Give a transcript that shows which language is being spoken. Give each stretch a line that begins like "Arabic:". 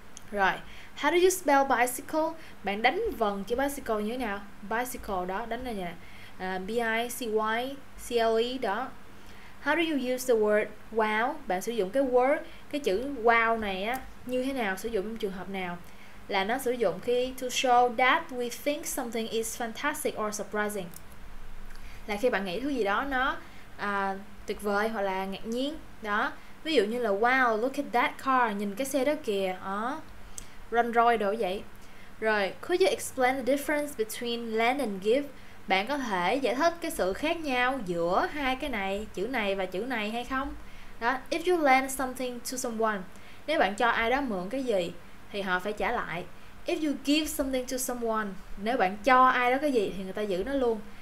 Vietnamese: Rồi,
English: how do you spell bicycle?
Vietnamese: Bạn đánh vần chữ bicycle như thế nào? Bicycle đó, đánh là gì nè? B-I-C-Y-C-L-E đó.
English: How do you use the word wow?
Vietnamese: Bạn sử dụng cái word, cái chữ wow này á, như thế nào, sử dụng trong trường hợp nào? Là nó sử dụng khi
English: to show that we think something is fantastic or surprising.
Vietnamese: Là khi bạn nghĩ thứ gì đó nó tuyệt vời hoặc là ngạc nhiên đó. Ví dụ như là
English: wow, look at that car,
Vietnamese: nhìn cái xe đó kìa, đó. Run roi đổ vậy.
English: Rồi, could you explain the difference between lend and give?
Vietnamese: Bạn có thể giải thích cái sự khác nhau giữa hai cái này, chữ này và chữ này hay không? Đó,
English: if you lend something to someone,
Vietnamese: nếu bạn cho ai đó mượn cái gì thì họ phải trả lại.
English: If you give something to someone,
Vietnamese: nếu bạn cho ai đó cái gì thì người ta giữ nó luôn.